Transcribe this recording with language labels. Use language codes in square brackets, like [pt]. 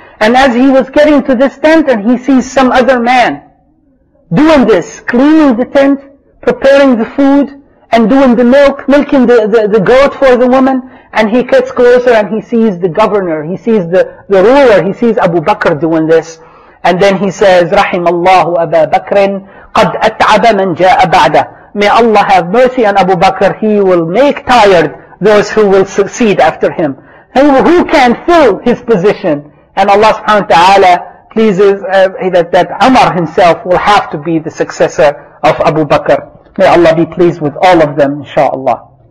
[en] And as he was getting to this tent and he sees some other man doing this, cleaning the tent, preparing the food and doing the milking the goat for the woman. And he gets closer and he sees the governor, he sees the ruler, he sees Abu Bakr doing this. And then he says, [ar] رحم الله أبا بكر قد أتعب من جاء بعده. [en] May Allah have mercy on Abu Bakr, he will make tired those who will succeed after him. Who can fill his position? And Allah subhanahu wa ta'ala pleases that Umar himself will have to be the successor of Abu Bakr. May Allah be pleased with all of them, inshaAllah.